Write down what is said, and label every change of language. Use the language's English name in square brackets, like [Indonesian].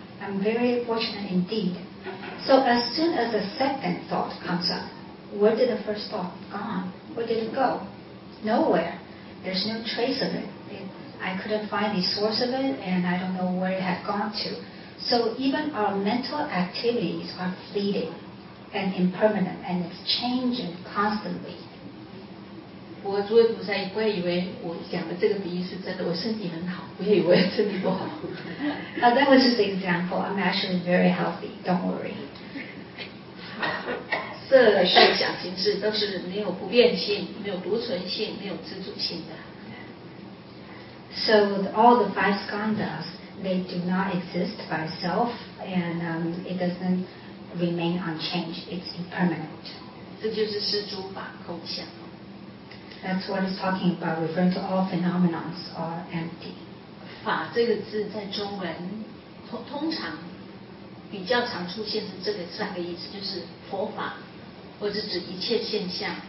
[English] I'm very fortunate indeed. So as soon as the second thought comes up, where did the first thought gone? Where did it go? Nowhere. There's no trace of it. I couldn't find the source of it, and I don't know where it had gone to. So even our mental activities are fleeting and impermanent, and it's changing constantly. [Chinese] 我诸位菩萨也不会以为我讲的这个比喻是真的，我身体很好，不会以为身体不好。 [English] Now, that was just an example. I'm actually very healthy. Don't worry. [Chinese] 色受想行识都是没有不变性、没有独存性、没有自主性的。 [English] So all the five skandhas, they do not exist by itself, and it doesn't remain unchanged. It's impermanent. [Chinese] 这就是四诸法空相。 [English] That's what he's talking about, referring to all phenomena are empty. [Chinese] 法这个字在中文 通常比较常出现的这个三个意思，就是佛法，或者指一切现象。